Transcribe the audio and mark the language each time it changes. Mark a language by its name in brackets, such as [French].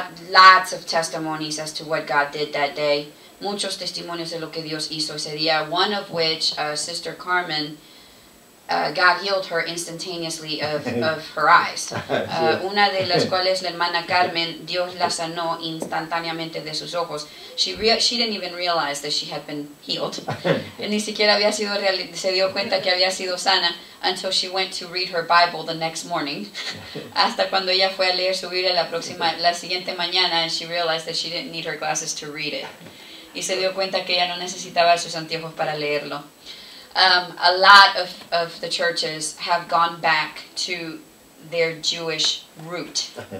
[English] Lots of testimonies as to what God did that day. [Spanish] Muchos testimonios de lo que Dios hizo ese día. [English] One of which, Sister Carmen, God healed her instantaneously of her eyes. [Spanish] Una de las cuales la hermana Carmen, Dios la sanó instantáneamente de sus ojos. [English] She didn't even realize that she had been healed. [Spanish] Ni siquiera había sido se dio cuenta que había sido sana [English] until she went to read her Bible the next morning. [Spanish] Hasta cuando ella fue a leer su Biblia la siguiente mañana, [English] and she realized that she didn't need her glasses to read it. [Spanish] Y se dio cuenta que ella no necesitaba sus anteojos para leerlo. [English] A lot of the churches have gone back to their Jewish root.